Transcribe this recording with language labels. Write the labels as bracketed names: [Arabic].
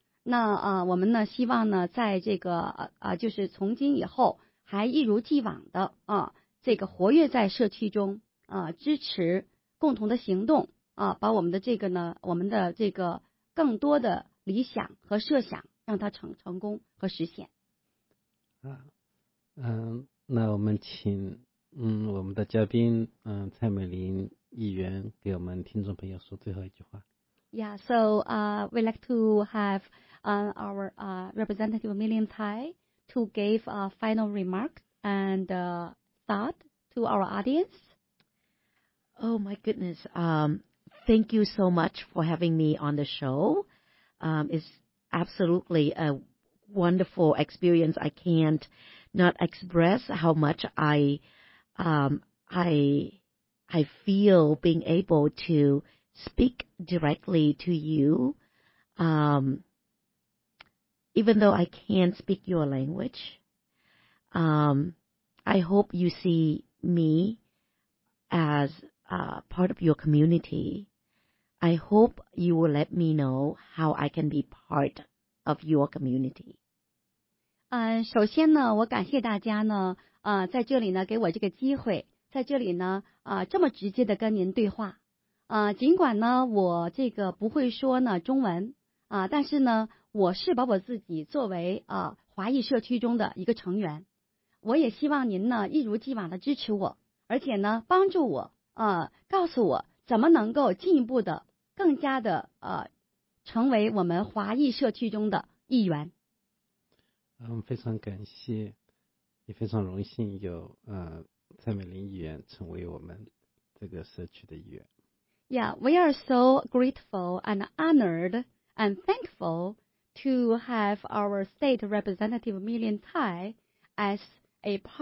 [Chinese] 那我们呢希望呢在这个就是从今以后还一如既往的这个活跃在社区中支持共同的行动把我们的这个呢我们的这个更多的理想和设想让它成功和实现。那我们请我们的嘉宾蔡美玲议员给我们听众朋友说最后一句话。 [English] Yeah, so we'd like to have our representative Mi Lin Tai to give a final remark and thought to our audience. Oh my goodness, thank you so much for having me on the show. It's absolutely a wonderful experience. I can't not express how much I feel being able to speak directly to you. Even though I can't speak your language, I hope you see me as part of your community. I hope you will let me know how I can be part of your community. [Chinese] 首先呢，我感谢大家呢，在这里呢给我这个机会，在这里呢，这么直接的跟您对话。尽管呢，我这个不会说呢中文，但是呢，我是把我自己作为华裔社区中的一个成员。我也希望您呢一如既往的支持我，而且呢帮助我，告诉我怎么能够进一步的更加的成为我们华裔社区中的一员。非常感谢，也非常荣幸有蔡美玲议员成为我们这个社区的一员。 [English] Yeah, we are so grateful and honored and thankful to have our state representative Mi Lin Tai as a part of our Chinese community.